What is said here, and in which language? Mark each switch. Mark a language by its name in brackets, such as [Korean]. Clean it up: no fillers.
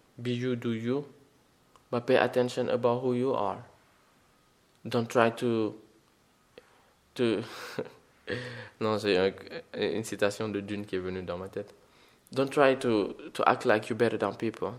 [English] Be you, do you, but pay attention about who you are. Don't try to. [French] Non, c'est une citation de Dune qui est venue dans ma tête. [English] Don't try to act like you're better than people.